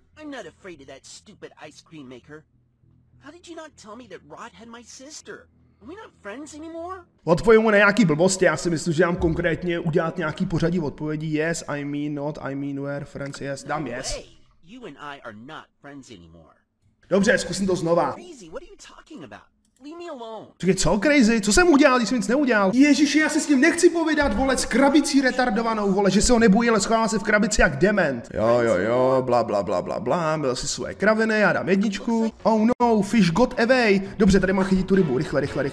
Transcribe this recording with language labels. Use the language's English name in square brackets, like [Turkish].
[English] I'm not afraid of that stupid ice cream maker. How did you not tell me that Rod had my sister? Are we not friends anymore? [Czech] Odpovím mu na nějaký blbosti, já si myslím, že mám konkrétně udělat nějaký pořadí odpovědí. [English] Yes, I mean not, I mean we're friends, yes, dám yes. You and I are not friends anymore. [Czech] Dobře, zkusím to znova. [English] Crazy, what are you talking about? Leave me alone. [Czech] Čekaj, co [English] crazy? [Czech] Co jsem udělal, když jsem nic neudělal? Ježiši, já se s ním nechci povídat, vole, s krabicí retardovanou, vole, že se ho nebojí, ale schovává se v krabici jak dement. Jo, bla, byl si svoje kraviny, já dám jedničku. [English] Oh no, fish got away. [Czech] Dobře, tady mám chytit tu rybu, rychle.